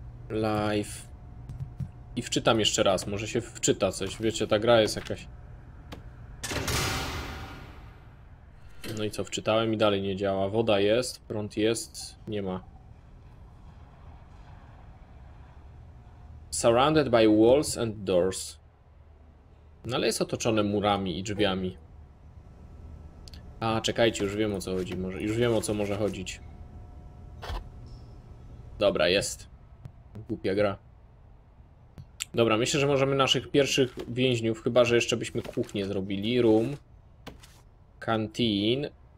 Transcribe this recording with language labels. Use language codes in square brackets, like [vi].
[en] Live. [pl] I wczytam jeszcze raz, może się wczyta coś. Wiecie, ta gra jest jakaś. No i co, wczytałem i dalej nie działa. Woda jest, prąd jest, nie ma. [en] Surrounded by walls and doors. [pl] No ale jest otoczone murami i drzwiami. A, czekajcie, już wiem o co chodzi. Może, już wiem o co może chodzić. Dobra, jest. Głupia gra. Dobra, myślę, że możemy naszych pierwszych więźniów, chyba że jeszcze byśmy kuchnię zrobili. Room. Canteen.